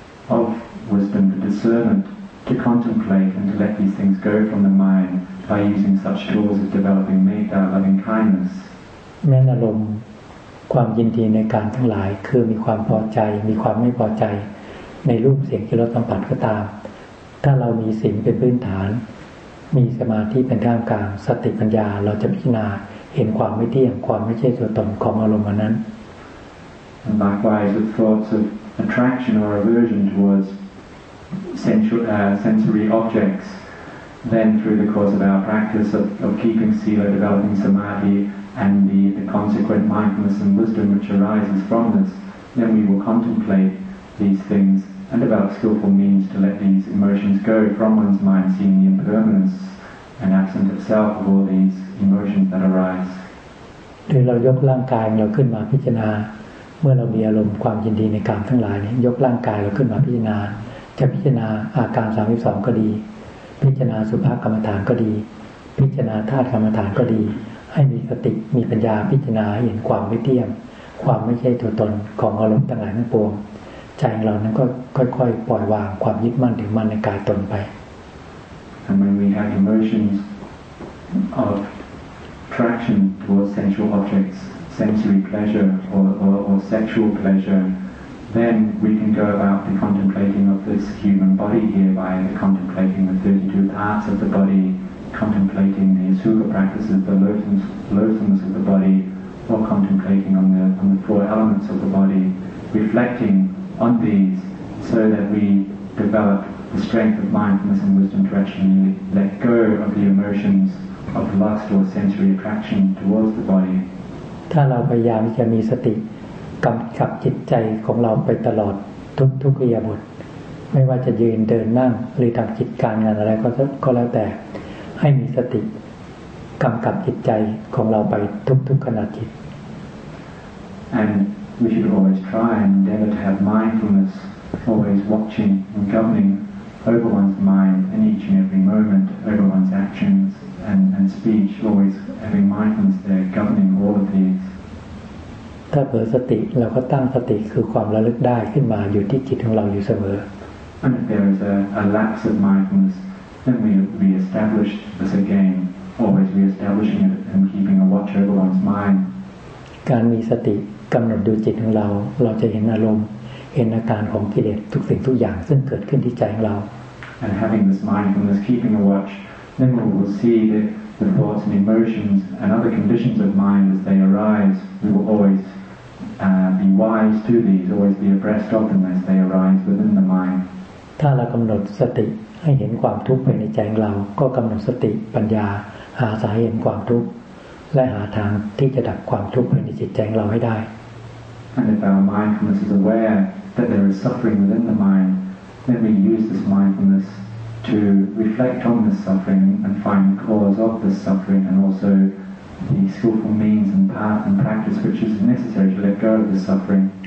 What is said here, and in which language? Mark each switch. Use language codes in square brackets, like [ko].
[en] of wisdom the discernment to contemplate and to let these things go from the mind by using such tools as developing metta loving kindness [th] แม้อารมณ์ความยินดีในการทั้งหลายคือมีความพอใจมีความไม่พอใจในรูปเสียงที่เราสัมผัสก็ตามถ้าเรามีศีลเป็นพื้นฐานมีสมาธิเป็นท่ามกลางสติปัญญาเราจะพิจารณาเห็นความไม่เที่ยงความไม่ใช่ตัวตนของอารมณ์นั้น [en] And likewise with thoughts of attraction or aversion towards sensory objects then through the course of our practice of keeping sila developing samadhi and the consequent mindfulness and wisdom which arises from this then we will contemplateThese things and develop skillful means to let these emotions go from one's mind, seeing the impermanence and absence of self of all these emotions that arise. [th] หรือเรายกร่างกายเราขึ้นมาพิจารณาเมื่อเรามีอารมณ์ความยินดีในกามทั้งหลายนี้ยกร่างกายเราขึ้นมาพิจารณาจะพิจารณาอาการ32ก็ดีพิจารณาสุภกรรมฐานก็ดีพิจารณาธาตุกรรมฐานก็ดีให้มีสติมีปัญญาพิจารณาเห็นความไม่เที่ยงความไม่ใช่ตัวตนของอารมณ์ทั้งหลายทั้งปวงใจเรานั้นก็ค่อยๆปล่อยวางความยึดมั่นถือมั่นในกายตนไป [en] And when we have emotions of attraction towards sensual objects, sensory pleasure or sexual pleasure, then we can go about the contemplating of this human body here by contemplating the 32 parts of the body, contemplating the asuka practices, the loathsomeness of the body, or contemplating on the four elements of the body, reflecting. On these, so that we develop the strength of mindfulness and wisdom to actually let go of the emotions of lust or sensory attraction towards the body. [th] ถ้าเราพยายามจะมีสติกำกับจิตใจของเราไปตลอดทุกอิริยาบถไม่ว่าจะยืนเดินนั่งหรือทำกิจการงานอะไรก็แล้วแต่ให้มีสติกำกับจิตใจของเราไปทุกขณะจิต [en] AndWe should always try and endeavor to have mindfulness, always watching and governing over one's mind in each and every moment, over one's actions and speech, always having mindfulness there, governing all of these. [th] ถ้าเผลอสติเราก็ตั้งสติคือความระลึกได้ขึ้นมาอยู่ที่จิตของเราอยู่เสมอ [en] And if there is a lapse of mindfulness, then we re-establish this again, always re-establishing it and keeping a watch over one's mind. [th] การมีสติกำหนดดูจิตของเราจะเห็นอารมณ์เห็นอาการของกิเลสทุกสิ่งทุกอย่างซึ่งเกิดขึ้นที่ใจของเรา [en] And having this mindfulness keeping a watch then we will see the thoughts and emotions and other conditions of mind as they arise we will always be wise to these always be abreast of them as they arise within the mind [th] ถ้าเรากำหนดสติให้เห็นความทุกข์ภายในใจของเราก็กำหนดสติปัญญาหาสาเหตุความทุกข์และหาทางที่จะดับความทุกข์ภายในจิตใจของเราให้ได้ [en] And if our mindfulness is aware that there is suffering within the mind, then we use this mindfulness to reflect on this suffering and find the cause of this suffering and also the skillful means and path and practice which is necessary to let go of the suffering.